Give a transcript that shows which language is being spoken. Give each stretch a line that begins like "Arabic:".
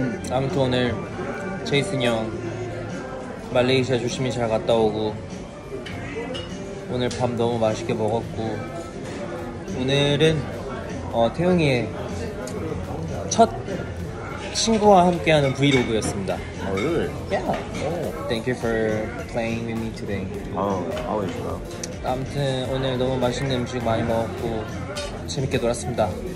Korean: 아무튼 오늘 제이슨 형 말레이시아 조심히 잘 갔다 오고 오늘 밤 너무 맛있게 먹었고 오늘은 태용이의 첫 친구와 함께하는 브이로그였습니다.
English: Oh, really? Yeah. Oh. Thank you for playing with me today. Oh, always love.
Korean: 아무튼 오늘 너무 맛있는 음식 많이 먹었고 재밌게 놀았습니다.